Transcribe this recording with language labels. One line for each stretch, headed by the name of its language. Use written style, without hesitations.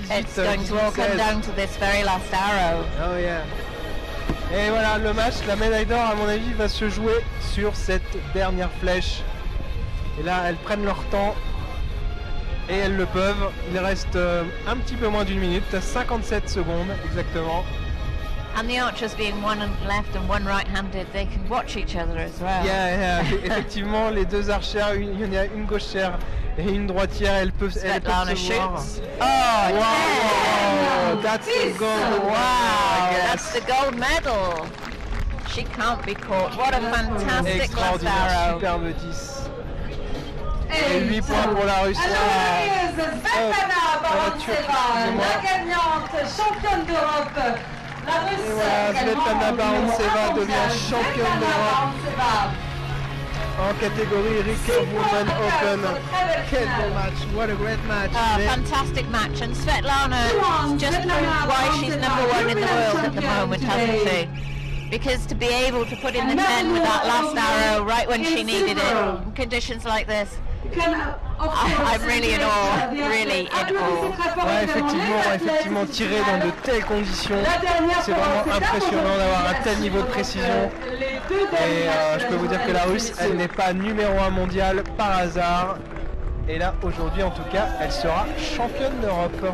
English: it's going to all come down to this very last arrow. Oh yeah.
French: Et voilà, le match, la médaille d'or, à mon avis, va se jouer sur cette dernière flèche. Et là, elles prennent leur temps. Et elles le peuvent. Il reste un petit peu moins d'une minute. T'as 57 secondes, exactement.
English: And the archers being one left and one right-handed, they can watch each other as well. Yeah, yeah.
French: Effectivement, les deux archères, il y en a une gauchière et une droitière, elles peuvent se voir.
English: Oh, wow, yes. That's the goal. Wow, that's the gold medal. She can't be caught. What a fantastic last arrow.
French: Superbe 10. Et 8 points pour la Russie. Alors, Svetlana Baranseva, la gagnante, championne d'Europe. Et voilà, Svetlana Baranseva devient championne d'Europe en catégorie Recurve Women Open. Quel bon match,
English: what a great match. Fantastic match, and Svetlana just proved why she's number one in the world at the moment, hasn't she? Because to be able to put in the 10 with that last arrow right when she needed it, in conditions like this, I'm really in awe, really in awe.
French: Ouais, effectivement, tirer dans de telles conditions, c'est vraiment impressionnant d'avoir un tel niveau de précision. Et je peux vous dire que la Russe, elle n'est pas numéro 1 mondial par hasard. Et là, aujourd'hui, en tout cas, elle sera championne d'Europe.